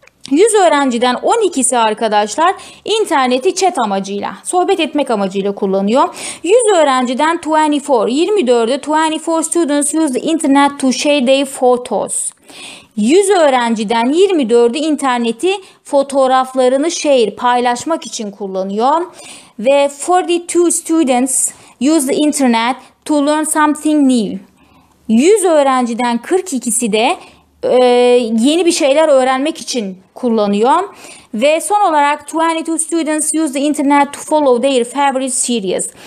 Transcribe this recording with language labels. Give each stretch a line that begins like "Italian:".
Turkish: 100 öğrenciden 12'si arkadaşlar interneti chat amacıyla, sohbet etmek amacıyla kullanıyor. 100 öğrenciden
English: 24 students use the internet to share their photos.
Turkish: 100 öğrenciden 24'ü interneti fotoğraflarını share, paylaşmak için kullanıyor. Ve
English: 42 students use the internet to learn something new.
Turkish: 100 öğrenciden 42'si de yeni bir şeyler öğrenmek için kullanıyor. Ve son olarak
English: 22 students use the internet to follow their favorite series.